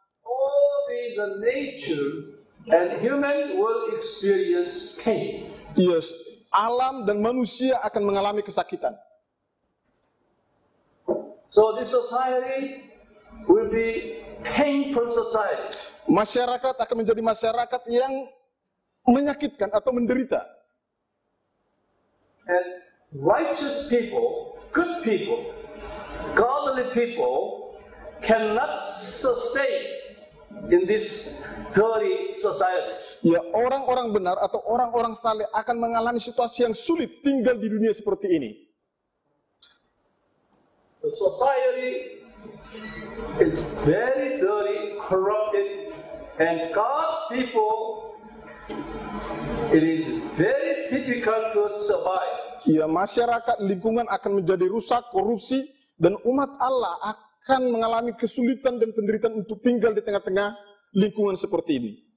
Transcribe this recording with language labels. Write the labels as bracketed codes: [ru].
[en] All the nature and human will experience pain. [id] Yes, alam dan manusia akan mengalami kesakitan. [en] So this society will be painful society. [id] Masyarakat akan menjadi masyarakat yang menyakitkan atau menderita. [en] And righteous people, good people, godly people cannot sustain in this dirty society. [id] Ya, orang-orang benar atau orang-orang saleh akan mengalami situasi yang sulit tinggal di dunia seperti ini. [en] The society is very dirty, corrupted, and God's people, it is very difficult to survive. [id] Ya, masyarakat, lingkungan akan menjadi rusak, korupsi, dan umat Allah akan mengalami kesulitan dan penderitaan untuk tinggal di tengah-tengah lingkungan seperti ini.